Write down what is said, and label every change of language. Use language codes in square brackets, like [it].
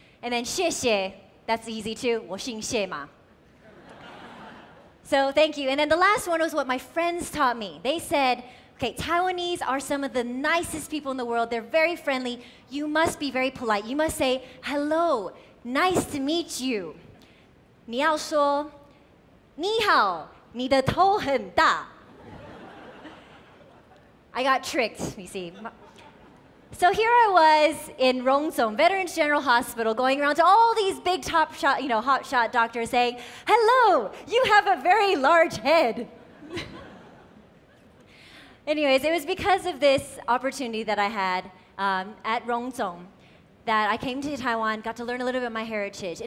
[en] And then [zh] 谢谢, [en] that's easy too. [zh] 我姓谢嘛。 [en] So thank you. And then the last one was what my friends taught me. They said, okay, Taiwanese are some of the nicest people in the world. They're very friendly. You must be very polite. You must say, hello, nice to meet you. [zh] 你要说你好，你的头很大。 [en] I got tricked, you see. So here I was in Rongzong, Veterans General Hospital, going around to all these big top shot, you know, hot shot doctors saying, hello, you have a very large head. Anyways, it was because of this opportunity that I had at Rongzong that I came to Taiwan, got to learn a little bit of my heritage.